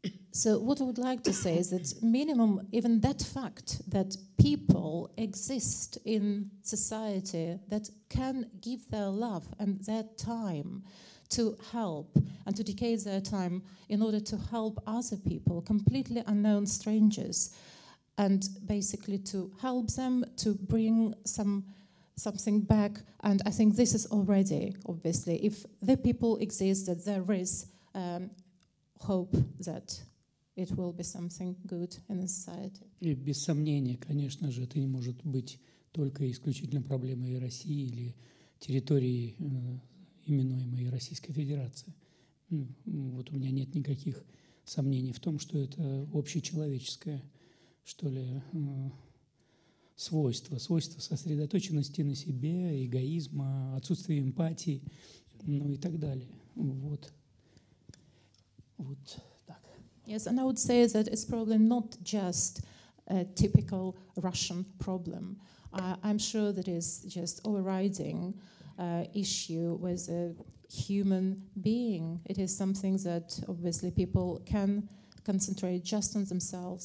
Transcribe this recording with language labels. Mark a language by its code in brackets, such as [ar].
[en] So what I would like to say is that minimum, even that fact that people exist in society that can give their love and their time to help and to dedicate their time in order to help other people, completely unknown strangers, and basically to help them to bring something back. And I think this is already, obviously, if the people exist, that there is hope that it will be something good in the society. [ru] И без сомнения, конечно же, это не может быть только исключительно проблемой России или территории. Именуемой Российской Федерации. Вот у меня нет никаких сомнений в том, что это общечеловеческое, что ли, свойство сосредоточенности на себе, эгоизма, отсутствие эмпатии, ну и так далее. Вот так. [en] Yes, and I would say that it's probably not just a typical Russian problem. I'm sure that is just overriding issue with a human being. It is something that obviously people can concentrate just on themselves.